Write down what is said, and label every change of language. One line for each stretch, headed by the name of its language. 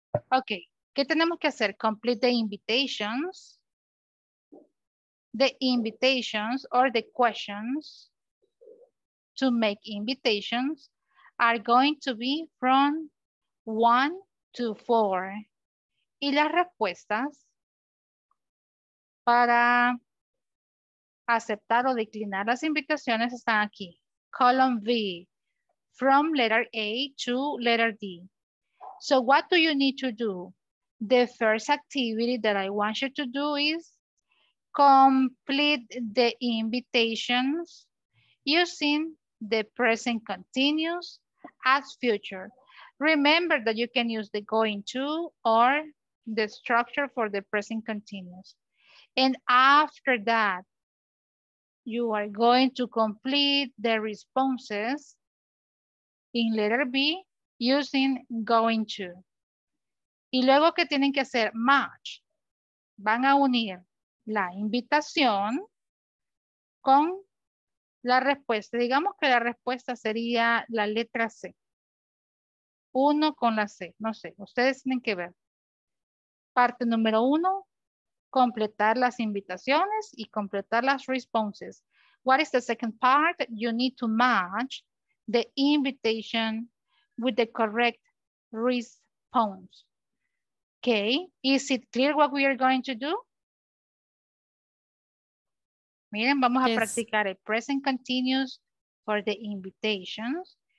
English: Okay,
Spanish: ¿qué tenemos que hacer?
English: Complete the invitations or the questions to make invitations are going to be from 1 to 4.
Spanish: Y las respuestas para aceptar o declinar las invitaciones están aquí.
English: Column B, from letter A to letter D. So what do you need to do? The first activity that I want you to do is complete the invitations using the present continuous as future. Remember that you can use the going to or the structure for the present continuous. And after that, you are going to complete the responses in letter B using going to.
Spanish: Y luego que tienen que hacer match, van a unir la invitación con la respuesta. Digamos que la respuesta sería la letra C. Uno con la C, no sé, ustedes tienen que ver. Parte número uno, completar las invitaciones y completar las responses.
English: What is the second part? You need to match the invitation with the correct response. Okay, is it clear what we are going to do?
Spanish: Miren, vamos a practicar el
English: present continuous for the invitations.